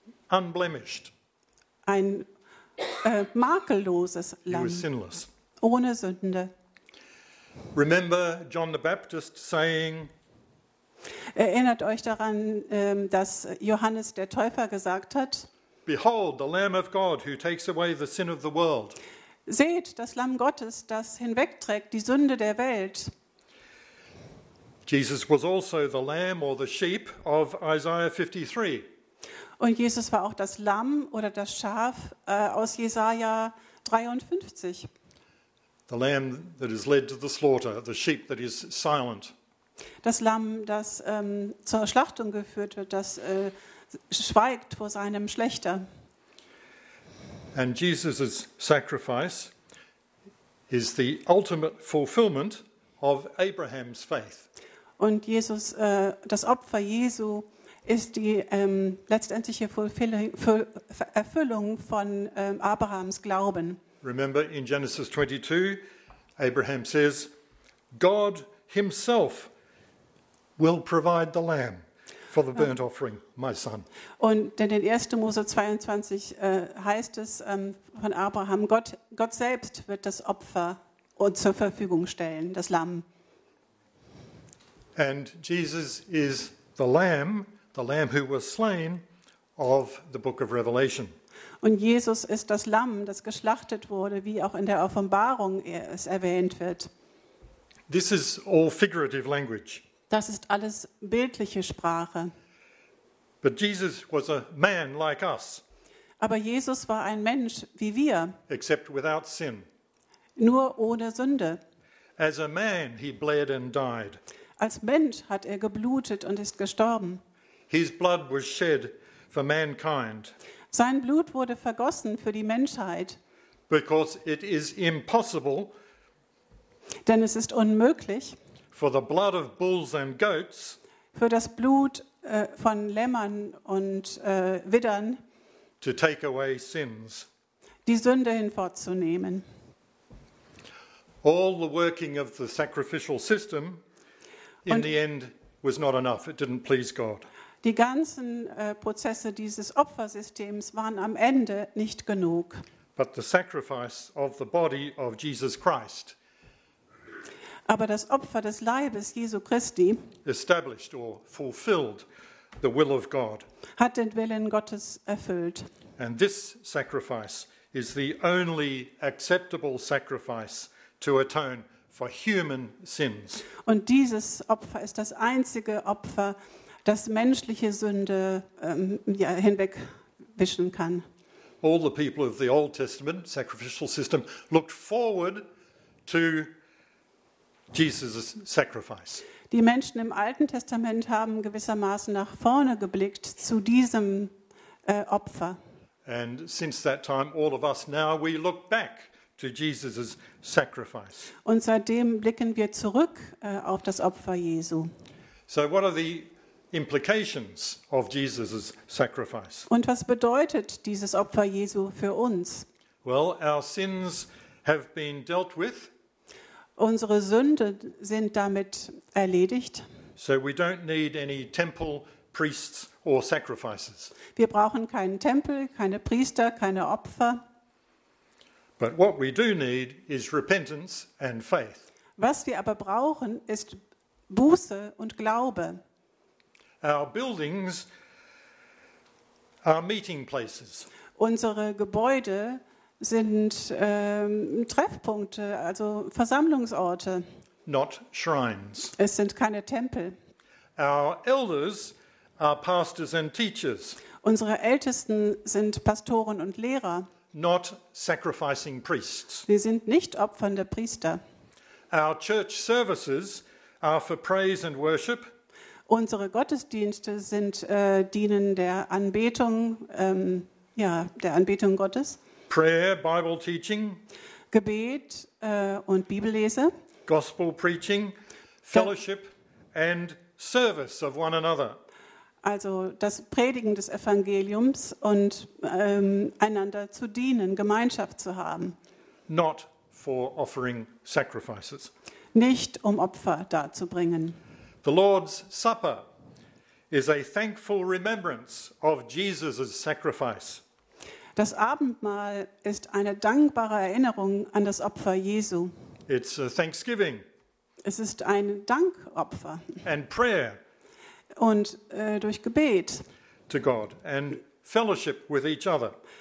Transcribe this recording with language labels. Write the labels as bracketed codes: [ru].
[en] Unblemished. [de] Ein makelloses Lamm. [en] He was sinless. [de] Ohne Sünde. [en] Remember John the Baptist saying, [de] erinnert euch daran, dass Johannes der Täufer gesagt hat, [en] behold the lamb of God who takes away the sin of the world. [de] Seht, das Lamm Gottes, das hinwegträgt die Sünde der Welt. [en] Jesus was also the lamb or the sheep of Isaiah 53. [de] Und Jesus war auch das Lamm oder das Schaf aus Jesaja 53. [en] The lamb that is led to the slaughter, the sheep that is silent. [de] Das Lamm, das zur Schlachtung geführt wird, das schweigt vor seinem Schlächter. [en] And Jesus' sacrifice is the ultimate fulfillment of Abraham's faith. [de] Und Jesus, das Opfer Jesu ist die letztendliche Erfüllung von Abrahams Glauben. [en] Remember in Genesis 22, Abraham says, God himself will provide the lamb. For the burnt offering, my son. [de] Und denn in 1. Mose 22 heißt es von Abraham, Gott selbst wird das Opfer zur Verfügung stellen, das Lamm. [en] And Jesus is the lamb who was slain of the book of Revelation. [de] Und Jesus ist das Lamm, das geschlachtet wurde, wie auch in der Offenbarung es erwähnt wird. [en] This is all figurative language. [de] Das ist alles bildliche Sprache. [en] But Jesus was a man like us. [de] Aber Jesus war ein Mensch wie wir. [en] Except without sin. [de] Nur ohne Sünde. [en] As a man he bled and died. [de] Als Mensch hat er geblutet und ist gestorben. [en] His blood was shed for mankind. [de] Sein Blut wurde vergossen für die Menschheit. [en] Because it is impossible. [de] Denn es ist unmöglich. [en] For the blood of bulls and goats, [de] für das Blut von Lämmern und Widdern, [en] to take away sins, [de] die Sünde hinfortzunehmen. [en] All the working of the sacrificial system in und the end was not enough. It didn't please God. [de] Die ganzen Prozesse dieses Opfersystems waren am Ende nicht genug. [en] But the sacrifice of the body of Jesus Christ. [de] Aber das Opfer des Leibes Jesu Christi [en] established or fulfilled the will of God. [de] Hat den Willen Gottes erfüllt. [en] And this sacrifice is the only acceptable sacrifice to atone for human sins. [de] Und dieses Opfer ist das einzige Opfer, das menschliche Sünde hinwegwischen kann. [en] All the people of the Old Testament sacrificial system looked forward to Jesus' sacrifice. [de] Die Menschen im Alten Testament haben gewissermaßen nach vorne geblickt zu diesem Opfer. [en] And since that time, all of us now we look back to Jesus' sacrifice. [de] Und seitdem blicken wir zurück auf das Opfer Jesu. [en] So what are the implications of Jesus' sacrifice? [de] Und was bedeutet dieses Opfer Jesu für uns? [en] Well, our sins have been dealt with. [de] Unsere Sünden sind damit erledigt. [en] So we don't need any temple, priests or sacrifices. [de] Wir brauchen keinen Tempel, keine Priester, keine Opfer. [en] But what we do need is repentance and faith. [de] Was wir aber brauchen, ist Buße und Glaube. [en] Our buildings are meeting places. [de] Unsere Gebäude sind Treffpunkte, also Versammlungsorte. [en] Not shrines. [de] Es sind keine Tempel. [en] Our elders are pastors and teachers. [de] Unsere Ältesten sind Pastoren und Lehrer. [en] Not sacrificing priests. [de] Sie sind nicht opfernde Priester. [en] Our church services are for praise and worship. [de] Unsere Gottesdienste sind dienen der Anbetung, der Anbetung Gottes. [en] Prayer, Bible teaching, [de] Gebet und Bibellese, [en] Gospel preaching, fellowship and service of one another. [de] Also das Predigen des Evangeliums und einander zu dienen, Gemeinschaft zu haben. [en] Not for offering sacrifices. [de] Nicht um Opfer darzubringen. [en] The Lord's Supper is a thankful remembrance of Jesus' sacrifice. [de] Das Abendmahl ist eine dankbare Erinnerung an das Opfer Jesu. [en] It's a thanksgiving. [de] Es ist ein Dankopfer. [en] And prayer. [de] Und durch Gebet. [en] To God and fellowship with each other.